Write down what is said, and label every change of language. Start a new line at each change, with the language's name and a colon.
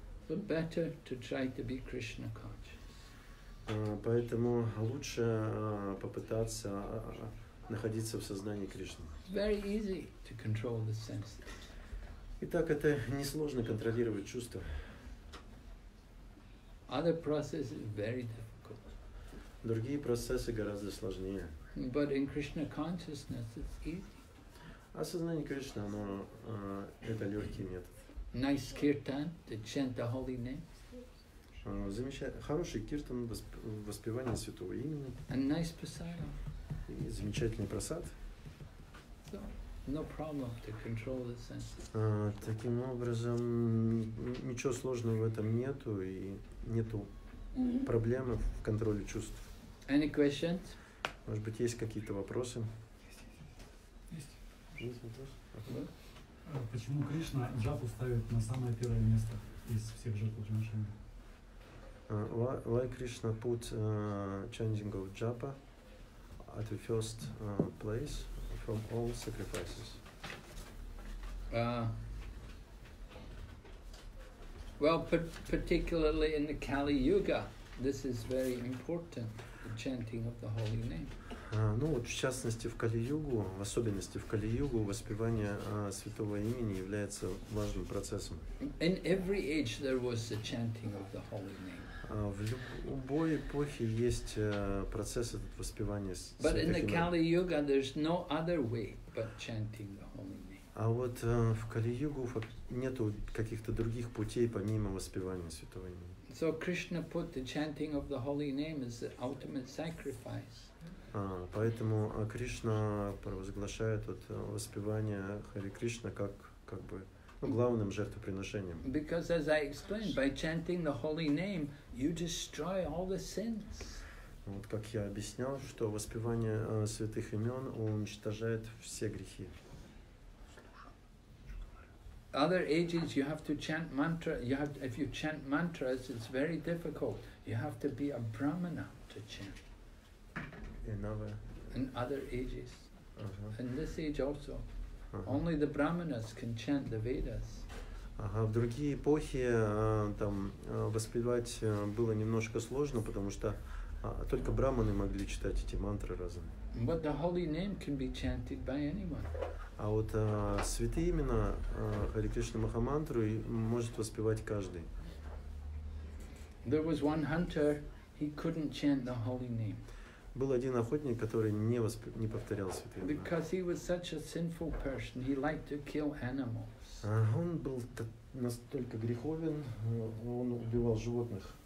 English: But better to try to be Krishna conscious.
Russian: Поэтому лучше попытаться находиться в сознании Кришны.
English: Very easy to control the senses.
Russian: Итак, это несложно контролировать чувства.
English: Other processes are very difficult.
Russian: Другие процессы гораздо сложнее.
English: But in Krishna consciousness it's easy.
Russian: А сознание Кришны, оно это легкий метод.
English: Nice kirtan to chant the holy name.
Russian: Хороший киртан, воспевание святого имени.
English: A nice prasadam.
Russian: И замечательный прасад.
English: So, no problem to control the senses.
Russian: Таким образом, ничего сложного в этом нету, и нету проблемы в контроле чувств.
English: Any questions?
Russian: Может быть, есть какие-то вопросы? Есть вопрос? Почему Кришна джапу ставит на самое первое место из всех жертв приношений?
English: Why Krishna put chanting of japa at the first place from all sacrifices? Particularly in the Kali Yuga, this is very important, the chanting of the holy name.
Russian: В частности, в Кали-Югу, в особенности в Кали-Югу, воспевание святого имени является важным процессом.
English: In every age there was the chanting of the holy name.
Russian: В любой эпохе есть процесс этот воспевания святых имен.
English: But in the Kali-Yuga there's no other way but chanting the holy name.
Russian: А вот в Кали-Югу нету каких-то других путей помимо воспевания святого имени.
English: So Krishna put the chanting of the holy name as the ultimate sacrifice.
Russian: Поэтому Кришна провозглашает вот воспевание Хари Кришна как главным жертвоприношением.
English: Because as I explained, by chanting the holy name, you destroy all the sins.
Russian: Вот как я объяснял, что воспевание святых имен уничтожает все грехи.
English: Other ages you have to chant mantra. If you chant mantras, it's very difficult. You have to be a brahmana to chant. In other ages, uh-huh. In this age also, uh-huh. Only the brahmanas can chant the Vedas.
Russian: Ага, в другие эпохи там воспевать было немножко сложно, потому что только брахманы могли читать эти мантры разом.
English: But the holy name can be chanted by anyone.
Russian: А вот святые имена Хари Кришна Махамантру может воспевать каждый.
English: There was one hunter, he couldn't chant the holy name.
Russian: Был один охотник, который не повторял святые имена.
English: Because he was such a sinful person, he liked to kill animals.
Russian: Он был настолько греховен, он убивал животных.